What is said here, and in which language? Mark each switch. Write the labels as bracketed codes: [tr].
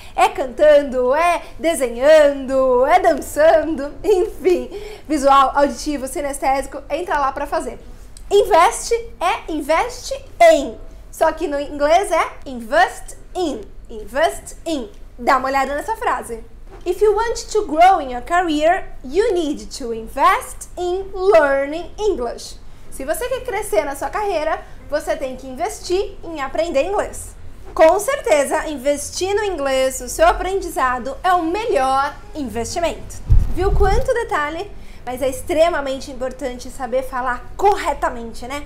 [pt] É cantando, é desenhando, é dançando, enfim. Visual, auditivo, cinestésico, entra lá para fazer. Investe é investe em, só que no inglês é invest in. Invest in. Dá uma olhada nessa frase. [en] If you want to grow in your career, you need to invest in learning English. [pt] Se você quer crescer na sua carreira, você tem que investir em aprender inglês. Com certeza, investir no inglês, o seu aprendizado, é o melhor investimento. Viu quanto detalhe? Mas é extremamente importante saber falar corretamente, né?